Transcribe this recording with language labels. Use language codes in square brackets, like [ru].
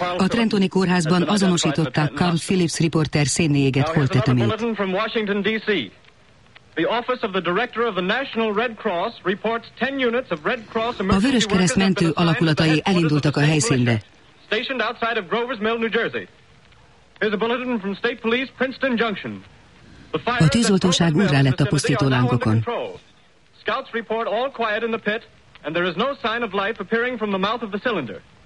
[hu] A trentoni kórházban azonosították Carl Phillips riporter szénéjégett holttetemét. [en] Bulletin from Washington D.C. The office of the director of the National Red Cross reports 10 units of Red Cross emergency. [hu] A Vöröskereszt mentő alakulatai elindultak a helyszínre. [en] Stationed outside of Grover's Mill, New Jersey. Here's a bulletin from State Police, Princeton Junction. [hu] A tűzoltóság újra lett a pusztító lángokon. [en] Scouts report all quiet in the pit, and there is no sign of life appearing from the mouth of the cylinder.